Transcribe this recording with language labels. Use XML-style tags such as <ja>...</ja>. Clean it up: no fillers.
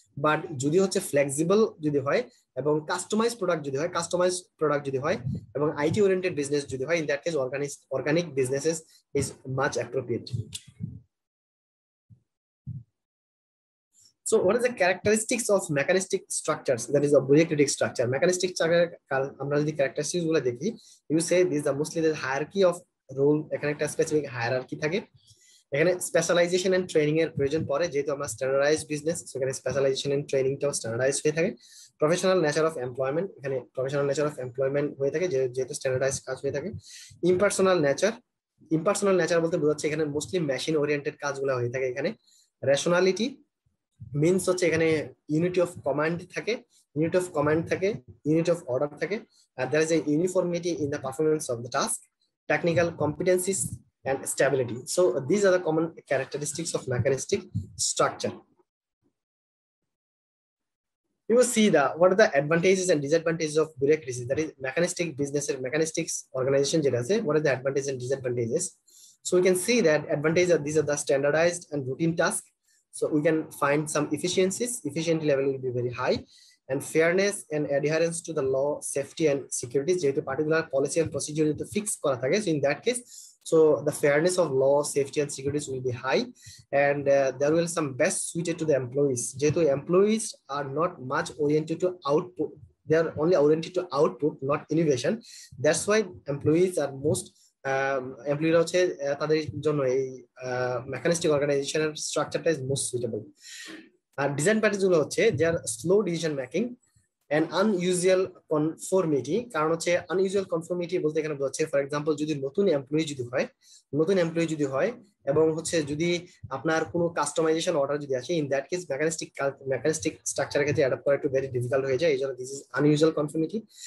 <bn>But যদি হচ্ছে flexible যদি হয় এবং কাস্টমাইজ প্রোডাক্ট যদি হয় এবং আইটি ওরিয়েন্টেড বিজনেস যদি হয়,</bn> <en>In that case organic business is much appropriate. So what are the characteristics of mechanistic structures? That is a bureaucratic structure. Mechanistic structure,</en> <bn>আমরা যদি characteristics গুলো দেখি,</bn> <en>you say this is the mostly the hierarchy of role.</en> <bn>এখানে একটা specific hierarchy থাকে. এখানে specialization and training এর প্রয়োজন পড়ে, যেহেতু আমরা standardized business, so এখানে specialization and training টাও standardized হয়ে থাকে. Professional nature of employment, এখানে professional nature of employment হয়ে থাকে, যেহেতু standardized কাজ হয়ে থাকে. Impersonal nature, ইম্পার্সোনাল নেচার বলতে বোঝাচ্ছে এখানে মোস্টলি মেশিন ওরিয়েন্টেড কাজগুলো হয়ে থাকে. এখানে রেশনালিটি মিন্স হচ্ছে এখানে ইউনিটি অফ কমান্ড থাকে, ইউনিটি অফ কমান্ড থাকে, ইউনিটি অফ অর্ডার থাকে.</bn> <en>আর there is a uniformity in the performance of the task, technical competencies and stability. So these are the common characteristics of mechanistic structure. You will see the what are the advantages and disadvantages of bureaucracy, that is mechanistic business or mechanistic organization. What are the advantages and disadvantages? So we can see that advantages are, these are the standardized and routine tasks. So we can find some efficiencies. Efficiency level will be very high, and fairness and adherence to the law, safety and security.</en> <bn>Jeto</bn> <en>particular policy and procedure to fix</en> <bn>kora thake.</bn> <en>So in that case, so the fairness of law, safety and security will be high, and there will be some best suited to the employees.</en> <bn>Jeto</bn> <en>employees are not much oriented to output, they are only oriented to output, not innovation. That's why employees are most employee</en> <bn>hocche tader jonno ei</bn> <en>mechanistic organization er structure ta is most suitable. আর ডিজাইনপ্যাটিস</en> <bn>গুলো হচ্ছে যে</bn> <en>আর slow decision making and unusual conformity.</en> <bn>কারণ হচ্ছে unusual conformity বলতে এখানে বোঝাচ্ছে, for example যদি নতুন এমপ্লয়ি যদি হয়, এবং হচ্ছে যদি আপনার কোনো কাস্টমাইজেশন অর্ডার যদি আসে,</bn> <en>in that case</en> <bn>মেকানিস্টিক স্ট্রাকচারের ক্ষেত্রে অ্যাডাপ্ট করা একটু ভেরি ডিফিকাল্ট হয়ে যায়, এই জন্য</bn> <en>This is unusual conformity.</en>